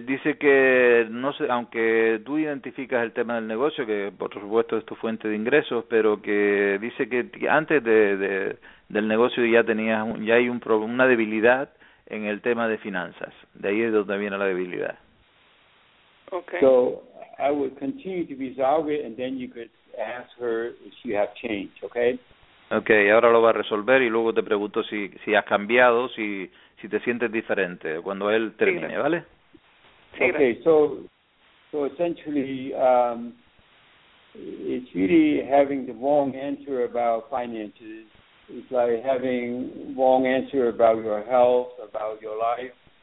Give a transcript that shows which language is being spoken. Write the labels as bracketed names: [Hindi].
[Spanish] dice que no sé, aunque tú identificas el tema del negocio, que por supuesto es tu fuente de ingresos, pero que dice que antes del negocio ya hay una debilidad en el tema de finanzas. De ahí es donde viene la debilidad. [English] Okay. So I would continue to resolve it, and then you could ask her if she have changed, okay? [Spanish] Okay, ahora lo va a resolver y luego te pregunto si has cambiado, si te sientes diferente cuando él Sí, termine, ¿vale? [English] okay, so essentially, it's really having the wrong answer about finances. It's like having wrong answer about your health, about your life.